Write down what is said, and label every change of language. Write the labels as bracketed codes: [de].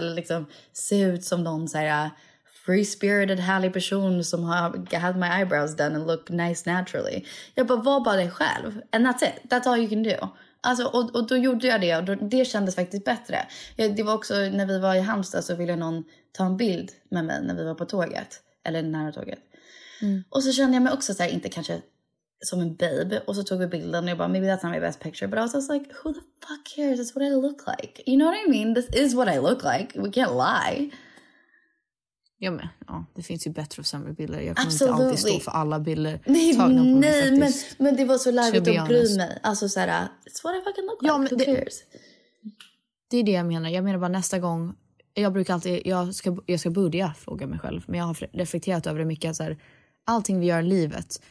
[sv] Eller liksom se ut som någon så här free-spirited, härlig person som har [en] had my eyebrows done and look nice naturally. [sv] Jag bara, var bara dig själv. [en] And that's it. That's all you can do. [sv] Alltså, och då gjorde jag det. Och då, det kändes faktiskt bättre. Jag, det var också när vi var i Halmstad så ville någon ta en bild med mig när vi var på tåget. Eller nära tåget. Mm. Och så kände jag mig också så här, inte kanske... som en babe, och så tog vi bilden och jag bara, [en] maybe that's not my best picture, but I was just like, who the fuck cares, it's what I look like, you know what I mean, this is what I look like, we can't lie. [sv] Ja, men ja, det finns ju bättre och sämre bilder, jag kommer absolutely. Inte alltid stå för alla bilder nej, tagna på mig, nej, faktiskt. Men det var så lärligt att bry mig, alltså såhär, [en] it's what I fucking look like, who cares. [sv] Det är det jag menar bara nästa gång, jag brukar alltid jag ska börja fråga mig själv, men jag har reflekterat över det mycket, såhär allting vi gör i livet.